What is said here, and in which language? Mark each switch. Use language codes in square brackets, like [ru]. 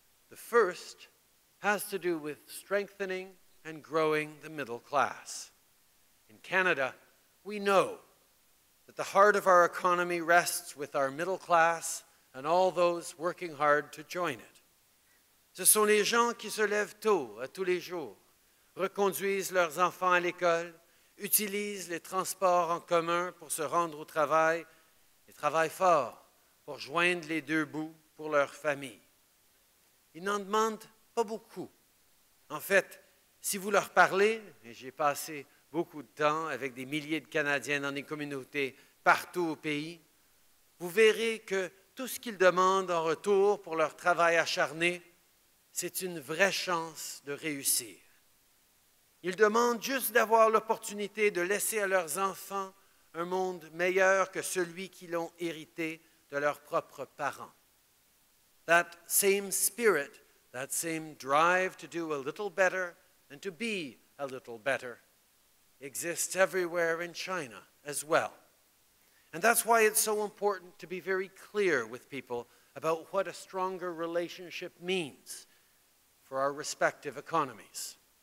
[en] The first has to do with strengthening and growing the middle class. In Canada, we know that the heart of our economy rests with our middle class and all those working hard to join it. [fr] Ce sont les gens qui se lèvent tôt à tous les jours, reconduisent leurs enfants à l'école, utilisent les transports en commun pour se rendre au travail et travaillent fort pour joindre les deux bouts pour leur famille. Ils n'en demandent pas beaucoup. En fait, si vous leur parlez, et j'ai passé beaucoup de temps avec des milliers de Canadiens dans des communautés partout au pays, vous verrez que tout ce qu'ils demandent en retour pour leur travail acharné, c'est une vraie chance de réussir. Ils demandent juste d'avoir l'opportunité de laisser à leurs enfants un monde meilleur que celui qu'ils ont hérité de leurs propres parents. [en] That same spirit, that same drive to do a little better and to be a little better exists everywhere in China as well. And that's why it's so important to be very clear with people about what a stronger relationship means for our respective economies.